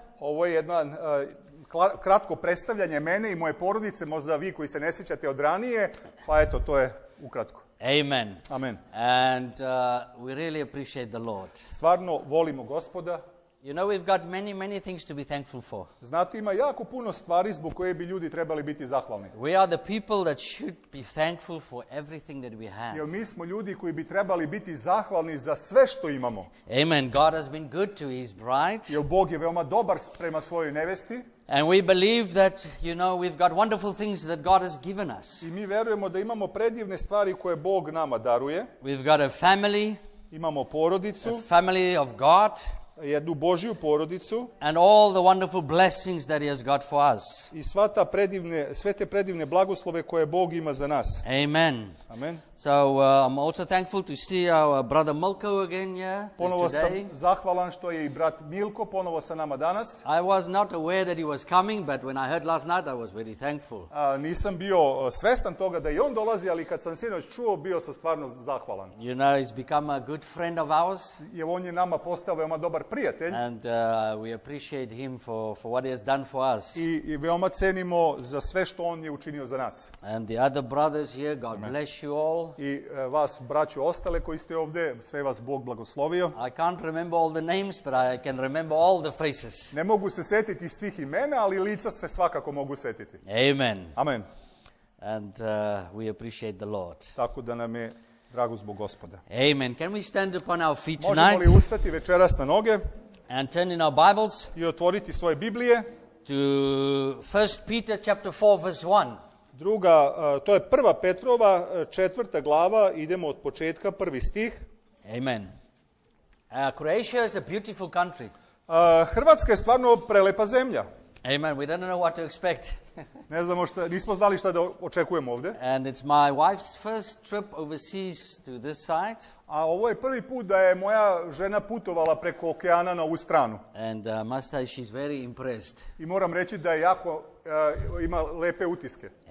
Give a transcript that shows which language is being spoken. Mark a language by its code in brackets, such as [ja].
[sr] Ovo je jedna kratko predstavljanje mene i moje porodice, možda vi koji se ne sjećate od ranije, pa eto, to je ukratko. [en] Amen. Amen. And we really appreciate the Lord. [sr] Stvarno volimo Gospoda. [en] You know, we've got many, many things to be thankful for. [sr] Znate, ima jako puno stvari zbog koje bi ljudi trebali biti zahvalni. [en] We are the people that should be thankful for everything that we have. [sr] Jer mi smo ljudi koji bi trebali biti zahvalni za sve što imamo. [en] Amen. God has been good to his bride. [sr] Jer Bog je veoma dobar prema svojoj nevesti. [en] And we believe that, you know, we've got wonderful things that God has given us. [sr] I mi vjerujemo da imamo predivne stvari koje Bog nama daruje. [en] We've got a family. [sr] Imamo porodicu. [en] A family of God. [sr] Jednu Božju porodicu. [en] And all the wonderful blessings that he has got for us. [sr] I sve te predivne blagoslove koje Bog ima za nas. [en] Amen. Amen. So I'm also thankful to see our brother Milko again here today. [sr] Ponovo sam zahvalan što je i brat Milko ponovo sa nama danas. [en] I was not aware that he was coming, but when I heard last night I was very thankful. [sr] Nisam bio svestan toga da i on dolazi, ali kad sam sinoć čuo, bio sam stvarno zahvalan. [en] You know, he's become a good friend of ours. [sr] Jer on je nama postao veoma dobar prijatelj. [en] And we appreciate him for what he has done for us. [sr] I veoma cenimo za sve što on je učinio za nas. [en] And the other brothers here, God Amen. Bless you all. [sr] I vas, braću ostale koji ste ovdje, sve vas Bog blagoslovio. [en] I can't remember all the names, but I can remember all the faces. [sr] Ne mogu se sjetiti svih imena, ali lica se svakako mogu sjetiti. [en] Amen. Amen. And we appreciate the Lord. [sr] Tako da nam je drago zbog Gospoda. [en] Amen. Can we stand upon our feet [sr] Možemo [en] tonight? [sr] Možemo li ustati večeras na noge? [en] And turn in our Bibles. [sr] I otvoriti svoje Biblije. [en] To 1 Peter chapter 4 verse 1. [sr] Druga, to je prva Petrova, četvrta glava, idemo od početka, prvi stih. [en] Amen. Croatia is a beautiful country. [sr] Hrvatska je stvarno prelepa zemlja. [en] Amen, we don't know what to expect. [sr] Ne znamo šta, nismo znali šta da očekujemo ovdje. [en] And it's my wife's first trip overseas to this side. [sr] A ovo je prvi put da je moja žena putovala preko okeana na ovu stranu. [en] And must say she's very impressed. [sr] I moram reći da je jako ima lepe utiske.